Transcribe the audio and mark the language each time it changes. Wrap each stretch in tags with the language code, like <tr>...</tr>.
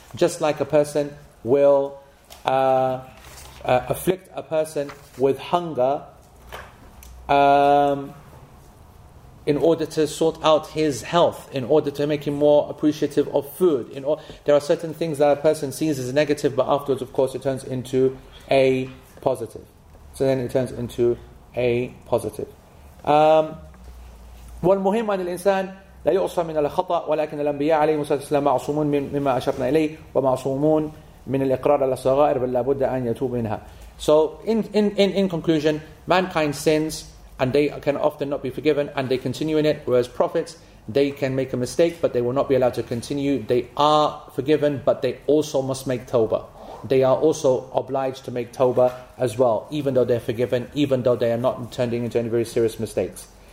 <en>Just like a person will afflict a person with hunger in order to sort out his health, in order to make him more appreciative of food. There are certain things that a person sees as negative, but afterwards, of course, it turns into a positive. So then it turns into a positive.</en> <ar>والمهم أن الإنسان لا يعصى من الخطأ ولكن الأنبياء عليهم السلام معصومون مما أشرنا إليه ومعصومون من الإقرار على الصغائر بل لابد أن يتوب منها.</ar> <en>So in conclusion, mankind sins and they can often not be forgiven and they continue in it, whereas prophets, they can make a mistake but they will not be allowed to continue. They are forgiven but they also must make tawbah. They are also obliged to make tawbah as well, even though they're forgiven, even though they are not turning into any very serious mistakes.</en>